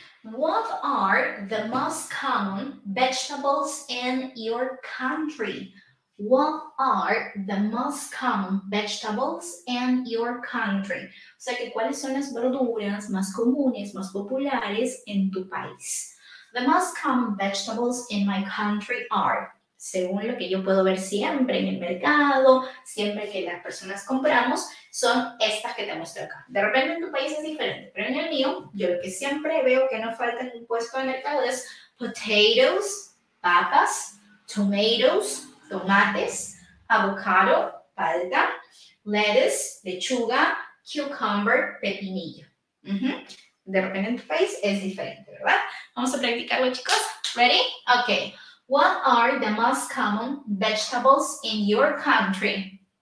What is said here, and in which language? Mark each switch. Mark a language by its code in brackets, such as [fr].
[en] What are the most common vegetables in your country? What are the most common vegetables in your country? [es] O sea, que ¿cuáles son las verduras más comunes, más populares en tu país? [en] The most common vegetables in my country are, [es] según lo que yo puedo ver siempre en el mercado, siempre que las personas compramos, son estas que te muestro acá. De repente en tu país es diferente, pero en el mío, yo lo que siempre veo que no falta en un puesto de mercado es potatoes, papas, tomatoes, tomates, avocado, palta, lettuce, lechuga, cucumber, pepinillo. Uh-huh. De repente en tu país es diferente, ¿verdad? Vamos a practicarlo, chicos. Ready? [en] Okay. What are the most common vegetables in your country?